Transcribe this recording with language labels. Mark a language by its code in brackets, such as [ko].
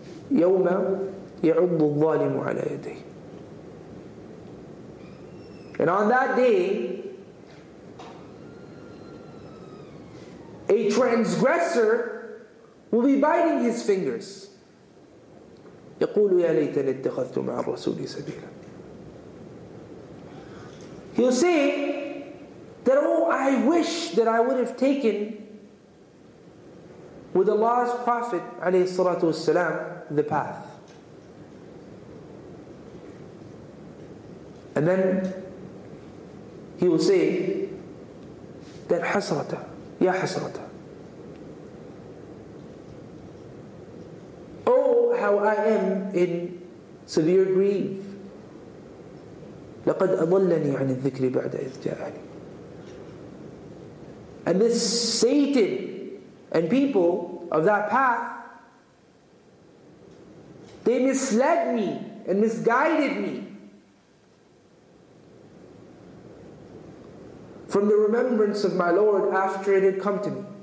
[ar] يوم يعض الظالم على يديه. [en] And on that day, a transgressor will be biting his fingers. [ar] يقول يا ليتني اتخذت مع الرسول سبيلا. [en] He'll say that, oh, I wish that I would have taken with Allah's Prophet عليه الصلاة والسلام the path. And then he will say that [ar] حسرته, يا حسرته. [en] How I am in severe grief. [ar] لقد أضلني عن الذكر بعد إذ جاءني. [en] And this Satan and people of that path, they misled me and misguided me from the remembrance of my Lord after it had come to me.